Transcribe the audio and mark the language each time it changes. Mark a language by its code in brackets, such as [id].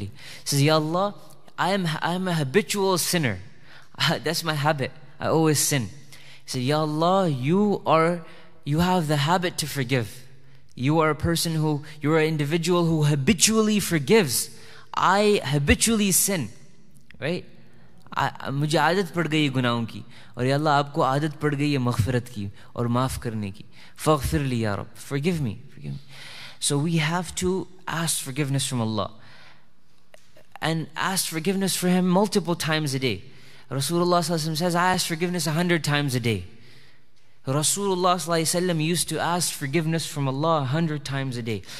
[en] He says, Ya Allah, I am a habitual sinner. That's my habit. I always sin. He said, Ya Allah, you have the habit to forgive. You are an individual who habitually forgives. I habitually sin, right? [ur] مجھے عادت پڑ گئی گناہوں کی. اور یا اللہ، آپکو عادت پڑ گئی مغفرت کی اور معاف کرنے کی. [ar] Faghfir li, Ya Rab. [en] Forgive me. So we have to ask forgiveness from Allah. And ask forgiveness for Him multiple times a day. Rasulullah sallallahu alaihi wasallam says, I ask forgiveness 100 times a day. Rasulullah sallallahu alaihi wasallam used to ask forgiveness from Allah 100 times a day.